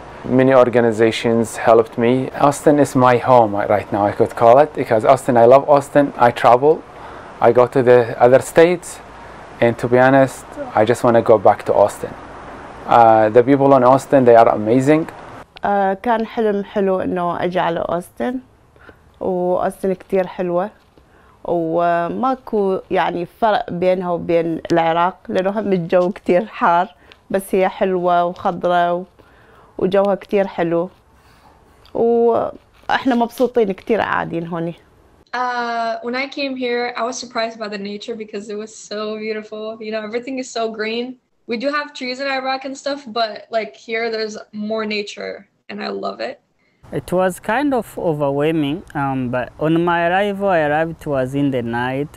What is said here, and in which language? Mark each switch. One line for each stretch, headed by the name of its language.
English: Many organizations helped me. Austin is my home right now, I could call it, because Austin, I love Austin. I travel, I go to the other states, and to be honest, I just want to go back to Austin. The people in Austin, they are amazing.
Arabic: كان حلم حلو انه اجي على اوستن واوستن كثير حلوه وماكو يعني فرق بينها وبين العراق لانه هم الجو كثير حار بس هي حلوه وخضراء وجوها كثير حلو واحنا مبسوطين كثير قاعدين هون.
English: When I came here I was surprised by the nature because it was so beautiful, you know, everything is so green. We do have trees in Iraq and stuff, but like here there's more nature. And I love it. It was kind of overwhelming, but on my arrival, it was in the night.